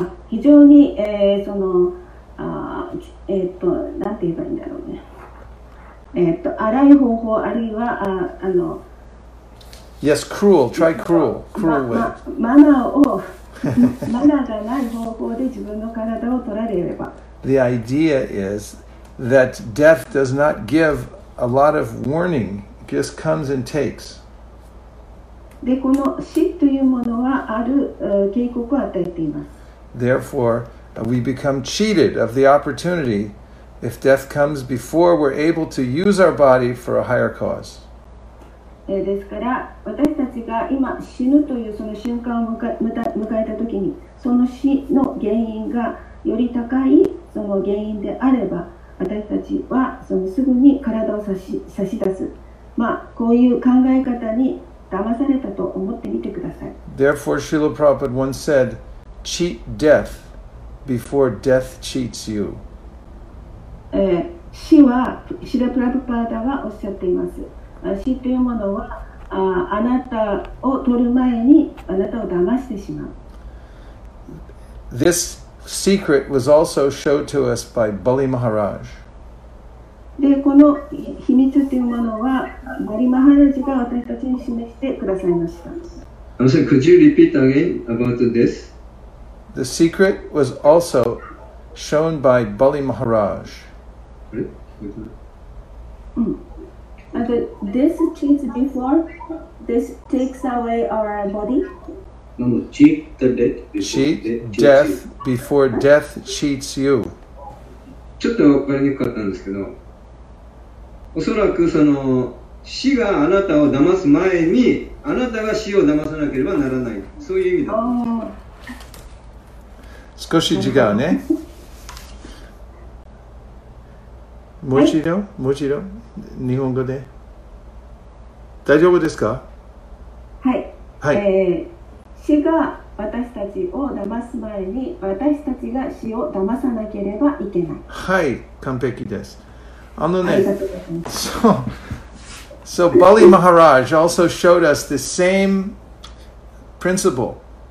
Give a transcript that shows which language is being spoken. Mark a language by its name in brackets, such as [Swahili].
[Japanese] 非常に、その、なんて言えばいいんだろうね。荒い方法、あるいは、 [English] Yes, cruel. Try cruel. Cruel way. [Japanese] マナーがない方法で自分の体を取られれば。 [English] The idea is that death does not give a lot of warning. It just comes and takes. [Japanese] で、この死というものはある警告を与えています。 [English] Therefore, we become cheated of the opportunity if death comes before we're able to use our body for a higher cause. [Japanese] ですから、私たちが今死ぬというその瞬間を迎えたときに、その死の原因がより高いその原因であれば、私たちはそのすぐに体を差し出す。まあ、こういう考え方に騙されたと思ってみてください。 [English] Therefore, Srila Prabhupada once said,Cheat death before death cheats you. [Japanese] 死は、シラプラブパーダはおっしゃっています。死というものは、あなたを取る前にあなたを騙してしまう。 [English] This secret was also showed to us by Bali Maharaj. [Japanese] で、この秘密というものは、バリマハラジが私たちに示してくださいました。 [English] So could you repeat again about this? The secret was also shown by Bali Maharaj. This cheats before, this takes away our body. cheat the death before cheat death you. Before death cheats you. [Japanese] ちょっと分かりにくかったんですけど、おそらくその死があなたを騙す前にあなたが死を騙さなければならない、そういう意味だ。少し違うね。もう一度、もう一度、日本語で。大丈夫ですか？はい、はい、死が私たちを騙す前に私たちが死を騙さなければいけない。はい、完璧です。あのね、ありがとうございます。 [English] So Bali Maharaj also showed us the same principle.